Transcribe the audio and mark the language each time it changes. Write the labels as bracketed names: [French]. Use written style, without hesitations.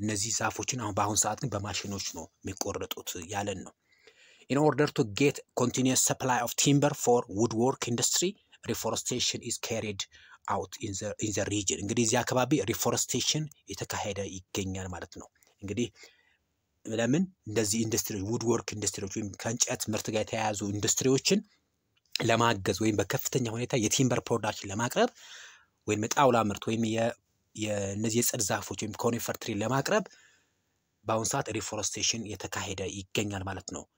[Amharic] እነዚህ ዛፎችን አሁን በአሁን ሰዓት ግን በማሽኖች ነው የሚቆረጡት ያለን ነው. [English] In order to get continuous supply of timber for woodwork industry, reforestation is carried out in the region. [Amharic] እንግዲህ እዚህ አካባቢ reforestation የተካሄደ ይገኛል ማለት ነው. እንግዲህ ለምን እንደዚህ ኢንዱስትሪዎች ውድወርክ ኢንዱስትሪዎች ወይም ከእንጨት ምርት ጋር የተያያዙ ኢንዱስትሪዎችን ለማገዝ ወይም በከፍተኛ ሁኔታ የቲምበር ፕሮዳክሽን ለማቅረብ ወይም ጣውላ ምርት ወይም እነዚህ የጽድ ዛፎች ወይም ኮኒፈር ትሪ ለማቅረብ በአሁን ሰዓት ሪፎረስቴሽን የተካሄደ ይገኛል ማለት ነው.